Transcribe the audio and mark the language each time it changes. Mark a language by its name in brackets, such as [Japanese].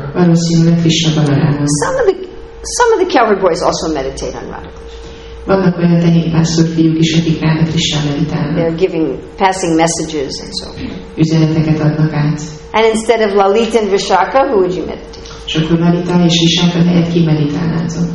[Hungarian] Valószínűleg Krishna Balarama. [English] Some of the cowherd boys also meditate on Radha Krishna. [Hungarian] Vannak olyan tehénpásztor fiúk is, akik Radha Krishna meditálnak. [English] They're giving passing messages and so forth. [Hungarian] Üzeneteket adnak át. [English] And instead of Lalita and Vishaka, who would you meditate? [Hungarian] És akkor Lalita és Vishaka helyett ki meditálnád?